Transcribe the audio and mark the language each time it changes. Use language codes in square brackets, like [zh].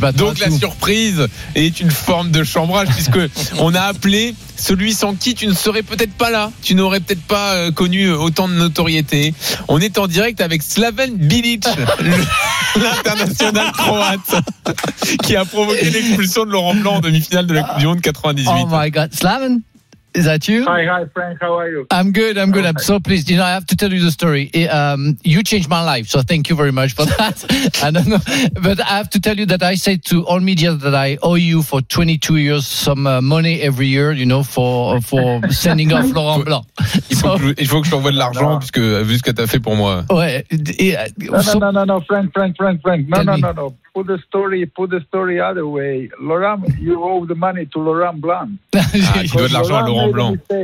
[fr] Donc la surprise est une forme de chambrage, puisque on a appelé celui sans qui tu ne serais peut-être pas là. Tu n'aurais peut-être pas connu autant de notoriété. On est en direct avec Slaven Bilic, l'international croate, qui a provoqué l'expulsion de Laurent Blanc en demi-finale de la Coupe du Monde 98. [en] Oh my god, Slaven? Is that you? Hi, Frank. How are you? I'm good. Okay. I'm so pleased. You know, I have to tell you the story. You changed my life, so thank you very much for that. I don't know. But I have to tell you that I say to all media that I owe you for 22 years some money every year, you know, for sending off Laurent Blanc. [fr] Il faut que je t'envoie de l'argent, non. Puisque vu ce que tu as fait pour moi. Ouais. [en] No, Frank. No. Put the story other way. Laurent, you owe the money to Laurent Blanc. [fr] Ah, tu dois de l'argent à Laurent Blanc.